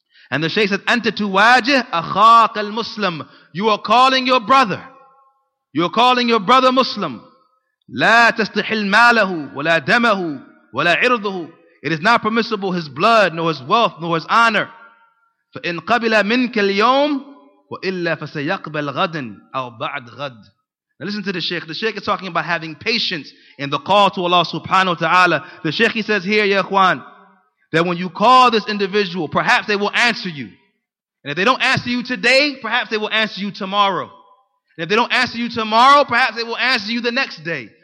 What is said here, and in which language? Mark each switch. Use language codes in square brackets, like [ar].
[en] And the Shaykh says, [ar] "Anta tuwajih akhaq al-Muslim." [en] You are calling your brother. You are calling your brother Muslim. [ar] لا تستحل ماله ولا دمه ولا عرضه. [en] It is not permissible his blood, nor his wealth, nor his honor. [ar] فإن قبل منك اليوم وإلا فسيقبل غدا أو بعد غد. [en] Now listen to the Shaykh. The Shaykh is talking about having patience in the call to Allah subhanahu wa ta'ala. The Shaykh, he says here, ya ikhwan, that when you call this individual, perhaps they will answer you. And if they don't answer you today, perhaps they will answer you tomorrow. And if they don't answer you tomorrow, perhaps they will answer you the next day.